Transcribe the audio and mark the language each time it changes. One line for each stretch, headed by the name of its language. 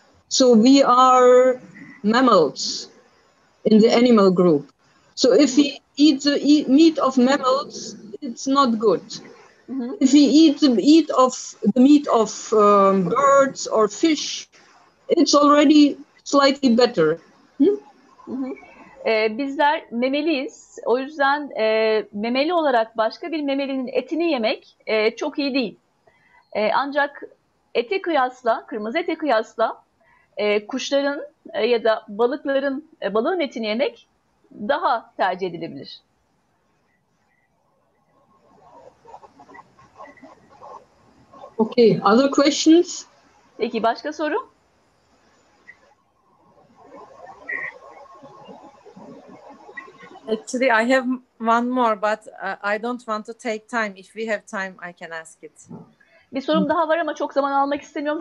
English: So we are mammals in the animal group. So if we eat the meat of mammals, it's not good. Mm-hmm. If we eat the meat of birds or fish, it's already slightly better.
Turkish: Bizler memeliyiz. O yüzden memeli olarak başka bir memelinin etini yemek çok iyi değil. Ancak ete kıyasla, kırmızı ete kıyasla kuşların ya da balıkların balığın etini yemek daha tercih edilebilir.
English: Okay, other questions?
Turkish: Peki, başka soru?
English: Actually, I have one more, but I don't want to take time. If we have time, I can ask it.
Turkish: Bir sorum daha var ama çok zaman almak istemiyorum.